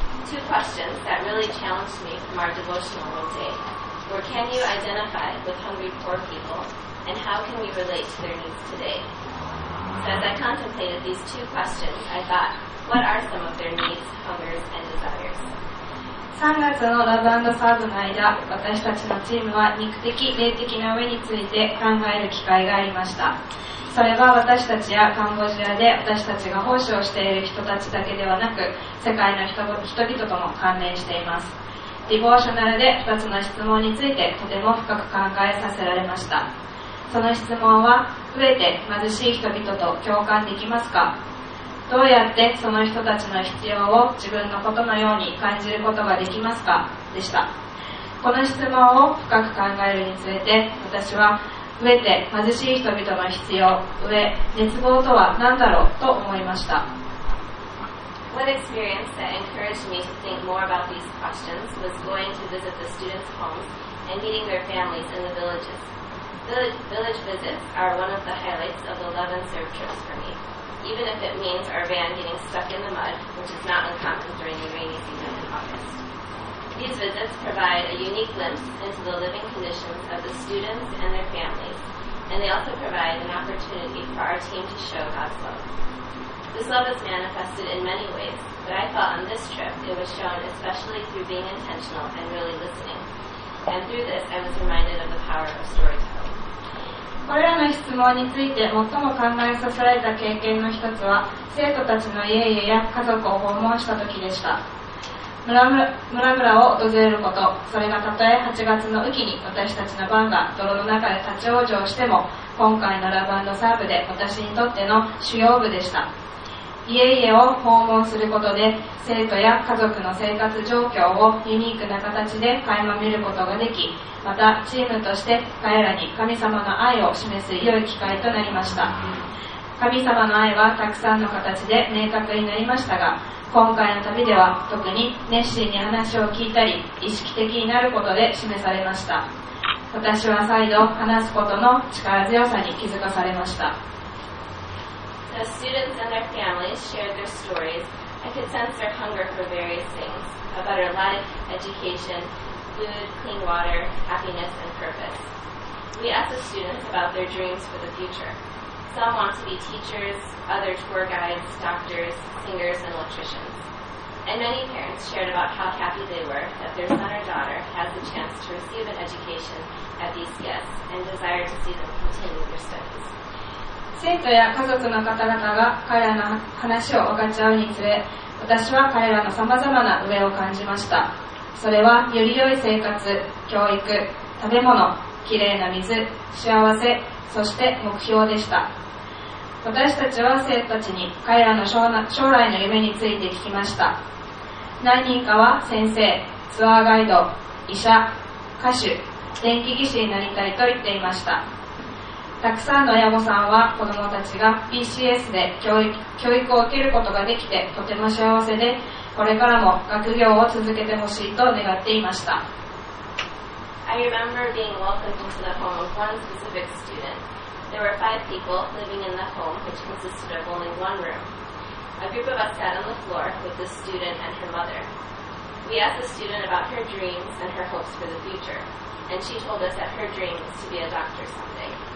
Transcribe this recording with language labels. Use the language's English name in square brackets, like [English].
[English] Two questions that really challenged me from our devotional world day. Or can you identify with hungry poor people, and how can we relate to their needs today? So as I contemplated these two questions, I thought, what are some of their needs, hungers, and desires? [Japanese] 3月のラブ&サーブの間、私たちのチームは肉的、霊的な飢えについて考える機会がありました。それは私たちやカンボジアで私たちが奉仕をしている人たちだけではなく、世界の人々とも関連しています。ディボーショナルで2つの質問についてとても深く考えさせられました。その質問は飢えて貧しい人々と共感できますか、どうやってその人たちの必要を自分のことのように感じることができますか、でした。この質問を深く考えるにつれて、私は飢えて貧しい人々の必要、飢え、熱望とは何だろうと思いました。 [English] One experience that encouraged me to think more about these questions was going to visit the students' homes and meeting their families in the villages. Village visits are one of the highlights of the Love and Serve trips for me, even if it means our van getting stuck in the mud, which is not uncommon during the rainy season in August. These visits provide a unique glimpse into the living conditions of the students and their families, and they also provide an opportunity for our team to show God's love. This love is manifested in many ways, but I thought on this trip it was shown especially through being intentional and really listening. And through this, I was reminded of the power of storytelling. [Japanese] これらの質問について最も考えさせられた経験の一つは、生徒たちの家々や家族を訪問した時でした。村々を訪れること、それがたとえ8月の雨季に私たちの番が泥の中で立ち往生しても、今回のラブ&サーブで私にとっての主要部でした。家々を訪問することで、生徒や家族の生活状況をユニークな形で垣間見ることができ、またチームとして彼らに神様の愛を示す良い機会となりました。神様の愛はたくさんの形で明確になりましたが、今回の旅では特に熱心に話を聞いたり、意識的になることで示されました。私は再度話すことの力強さに気づかされました。 [English] As students and their families shared their stories, I could sense their hunger for various things, a better life, education, food, clean water, happiness, and purpose. We asked the students about their dreams for the future. Some want to be teachers, other tour guides, doctors, singers, and electricians. And many parents shared about how happy they were that their son or daughter had the chance to receive an education at BCS and desired to see them continue their studies. [Japanese] 生徒や家族の方々が彼らの話を分かち合うにつれ、私は彼らの様々な飢えを感じました。それはより良い生活、教育、食べ物、きれいな水、幸せ、そして目標でした。私たちは生徒たちに彼らの将来の夢について聞きました。何人かは先生、ツアーガイド、医者、歌手、電気技師になりたいと言っていました。たくさんの親御さんは子どもたちが BCS で教育を受けることができてとても幸せで、これからも学業を続けてほしいと願っていました。 [English] I remember being welcomed into the home of one specific student. There were five people living in the home, which consisted of only one room. A group of us sat on the floor with the student and her mother. We asked the student about her dreams and her hopes for the future, and she told us that her dream was to be a doctor someday.